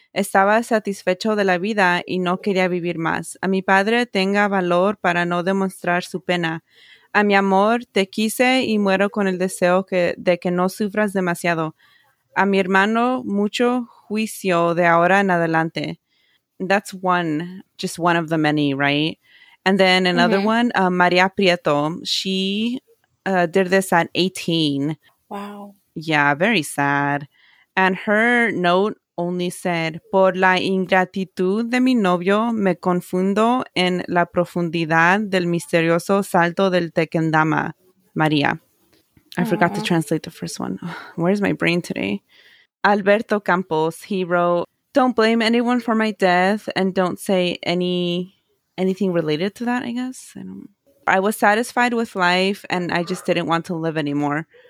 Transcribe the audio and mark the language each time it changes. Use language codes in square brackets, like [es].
[es] Estaba satisfecho de la vida y no quería vivir más. A mi padre tenga valor para no demostrar su pena. A mi amor, te quise y muero con el deseo de que no sufras demasiado. A mi hermano, mucho juicio de ahora en adelante. [en] That's one, just one of the many, right? And then another mm-hmm. one, Maria Prieto, she did this at 18. Wow. Yeah, very sad. And her note only said, [es] por la ingratitud de mi novio, me confundo en la profundidad del misterioso salto del Tequendama, María. [en] I forgot to translate the first one. Where's my brain today? Alberto Campos, he wrote, don't blame anyone for my death and don't say anything related to that, I guess. I was satisfied with life and I just didn't want to live anymore.